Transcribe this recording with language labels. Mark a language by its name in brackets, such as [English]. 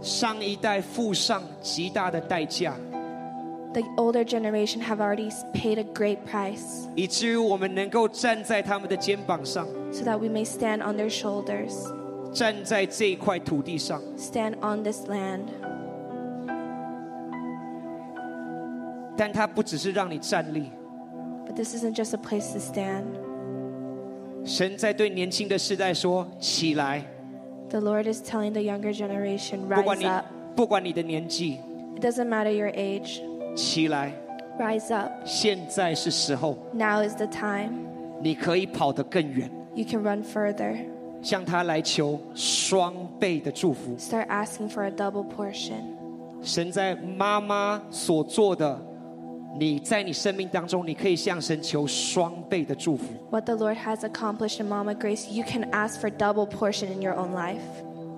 [Chinese] 上一代付上极大的代价。 [English] The older generation have already paid a great price. [Chinese] 以至于我们能够站在他们的肩膀上。 [English] So that we may stand on their shoulders. [Chinese] 站在这块土地上。 [English] Stand on this land. [Chinese] 但它不只是让你站立。 [English] But this isn't just a place to stand. [Chinese] 神在对年轻的世代说：起来。 [English] The Lord is telling the younger generation, rise [Chinese] 不管你的年纪, [English] it doesn't matter your age. [Chinese] 起来, [English] rise up. [Chinese] 现在是时候, [English] now is the time. [Chinese] 你可以跑得更远, [English] you can run further. [Chinese] 向他来求双倍的祝福, [English] start asking for a double portion. [Chinese] 神在妈妈所做的, 你在你生命当中, 你可以向神求双倍的祝福。 [English] What the Lord has accomplished in Mama Grace, you can ask for double portion in your own life.